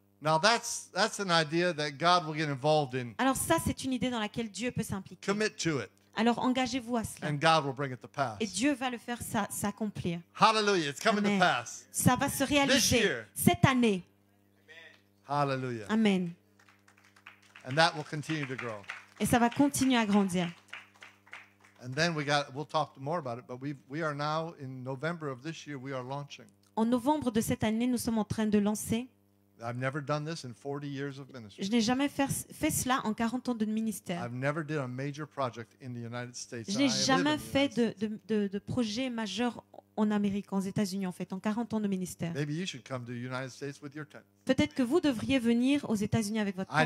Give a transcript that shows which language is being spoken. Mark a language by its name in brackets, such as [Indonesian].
[English] Now that's an idea that God will get involved in. [French] Alors ça c'est une idée dans laquelle Dieu peut s'impliquer. [English] Commit to it. [French] Alors engagez-vous à cela. [English] And God will bring it to pass. [French] Et Dieu va le faire s'accomplir. [English] Hallelujah, it's coming Amen. To pass. [French] Ça va se réaliser cette année. [English] Amen. Hallelujah. Amen. And that will continue to grow. [French] Et ça va continuer à grandir. [English] And then we'll talk more about it, but we are now in November of this year we are launching. [French] En novembre de cette année, nous sommes en train de lancer. [English] I've never done this in 40 years of ministry. [French] Je n'ai jamais fait cela en 40 ans de ministère. [English] I've never did a major project in the United States. [French] Je n'ai jamais fait de projet majeur en Amérique, aux États-Unis, en fait, en 40 ans de ministère. [English] Maybe you should come to the United States with your tent. [French] Peut-être que vous devriez venir aux États-Unis avec votre tente.